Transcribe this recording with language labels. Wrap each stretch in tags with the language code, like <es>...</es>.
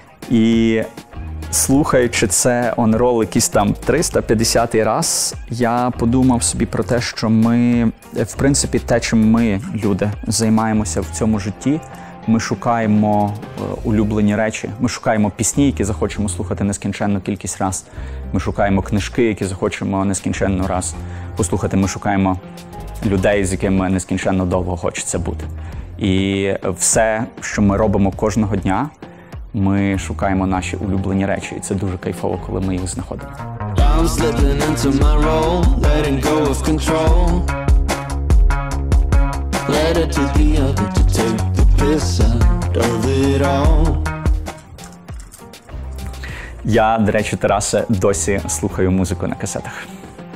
<uk>І слухаючи це «On a Roll» якийсь там 350-й раз, я подумав собі про те, що ми, в принципі, те, чим ми, люди, займаємося в цьому житті, ми шукаємо улюблені речі, ми шукаємо пісні, які захочемо слухати нескінченну кількість раз, ми шукаємо книжки, які захочемо нескінченну раз послухати, ми шукаємо людей, з якими нескінченно довго хочеться бути. І все, що ми робимо кожного дня, ми шукаємо наші улюблені речі, і це дуже кайфово, коли ми їх знаходимо.</uk> <en>I'm slipping into my role, letting go of control. Let it to the other to take the piss out of it all.</en> <uk>Я, до речі, Тарасе, досі слухаю музику на касетах.</uk>